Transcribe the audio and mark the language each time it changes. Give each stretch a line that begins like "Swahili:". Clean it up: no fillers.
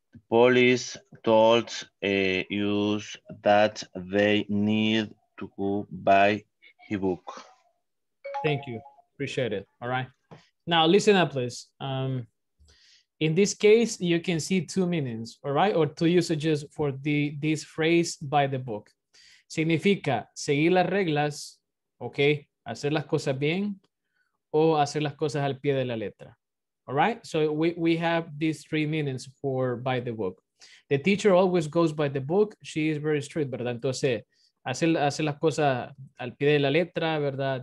English: Police told us that they need to go by the book. Thank you. Appreciate it. All right. Now listen up, please. In this case, you can see two meanings, all right, or two usages for this phrase by the book.
Spanish: Significa seguir las reglas, okay, hacer las cosas bien, o hacer las cosas al pie de la letra.
English: All right, so we have these three meanings for by the book. The teacher always goes by the book. She is very strict, ¿verdad?
Spanish: Entonces, hace las cosas al pie de la letra, ¿verdad?